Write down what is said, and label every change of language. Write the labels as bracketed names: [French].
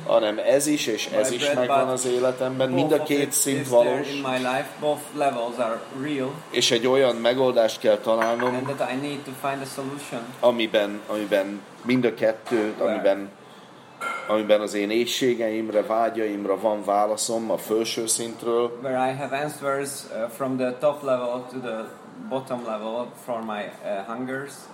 [Hungarian] hanem ez is és ez is megvan az életemben, mind a két szint valós, [English] in my life, both levels are real, [Hungarian] és egy olyan megoldást kell találnom, [English] and that I need to find a solution, [Hungarian] amiben mind a kettő, amiben az én éhségeimre, vágyaimra van válaszom a felső szintről, [English] where I have answers from the top level to the bottom level for my hungers,